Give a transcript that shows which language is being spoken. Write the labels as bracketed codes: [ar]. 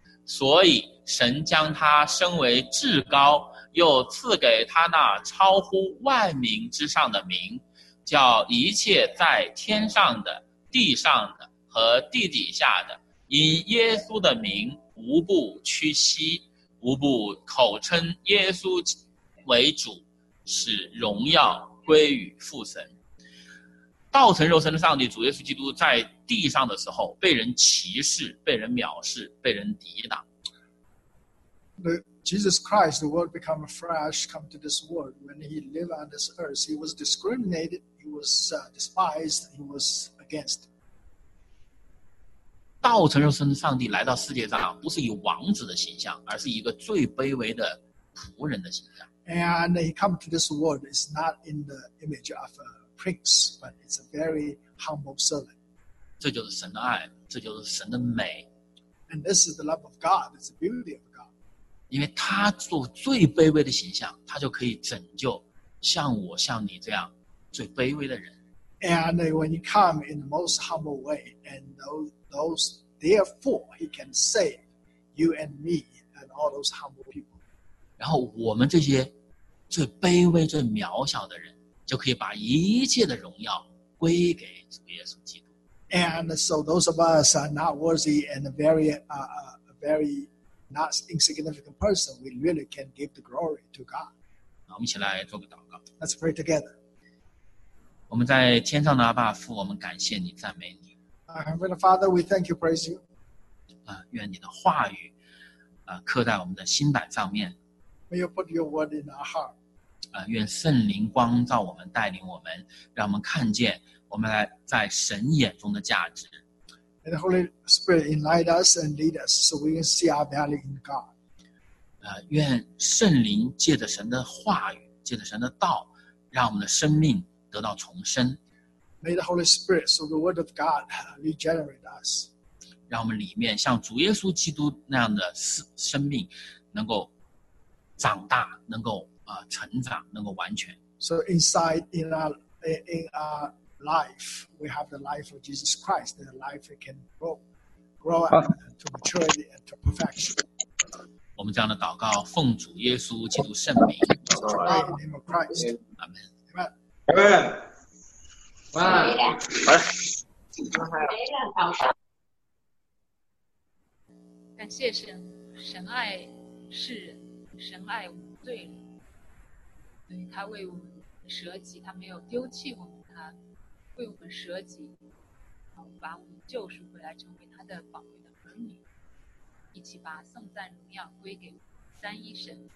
[zh] 所以神将他升为至高，又赐给他那超乎万民之上的名，叫一切在天上的、地上的和地底下的，因耶稣的名，无不屈膝，无不口称耶稣为主，使荣耀归于父神。道成肉身的上帝主耶稣基督在地上的时候，被人歧视，被人藐视，被人抵挡。 [en] The Jesus Christ, the Word become flesh, come to this world. When he lived on this earth, he was discriminated, he was despised, he was against. [zh] 道成肉身的上帝来到世界上，不是以王子的形象，而是一个最卑微的仆人的形象。 [en] And he come to this world is not in the image of a prince, but it's a very humble servant. [zh] 这就是神的爱，这就是神的美。 [en] And this is the love of God. It's the beauty of. [zh] 因为他做最卑微的形象，他就可以拯救像我、像你这样最卑微的人。 [en] And when he come in the most humble way, and those therefore he can save you and me and all those humble people. [zh] 然后我们这些最卑微、最渺小的人，就可以把一切的荣耀归给主耶稣基督。 [en] And so those of us are not worthy and very. Not insignificant person, we really can give the glory to God. [zh] 我们一起来做个祷告。 [en] Let's pray together. [zh] 我们在天上的阿爸父，我们感谢你，赞美你。 [en] Heavenly Father, we thank you, praise you. [zh] 愿你的话语，刻在我们的心板上面。 [en] May you put your word in our heart. [zh] 愿圣灵光照我们，带领我们，让我们看见我们在神眼中的价值。 [en] And the Holy Spirit enlighten us and lead us so we can see our value in God. [zh] 愿圣灵借着神的话语，借着神的道，让我们的生命得到重生。 [en] May the Holy Spirit, so the Word of God, regenerate us. [zh] 让我们里面像主耶稣基督那样的生命能够长大，能够成长，能够完全。 [en] So inside in our life, we have the life of Jesus Christ, the life we can grow up to maturity and to perfection. [zh] 我们这样的祷告，奉主耶稣基督圣名。 [en] In the name of Christ. Amen. Amen. Amen. Amen. [zh] 感谢神，神爱世人，神爱无罪人，所以他为我们舍己，他没有丢弃我们，他为我们舍己，把我们救赎回来，成为他的宝贵的儿女，一起把颂赞荣耀归给三一神。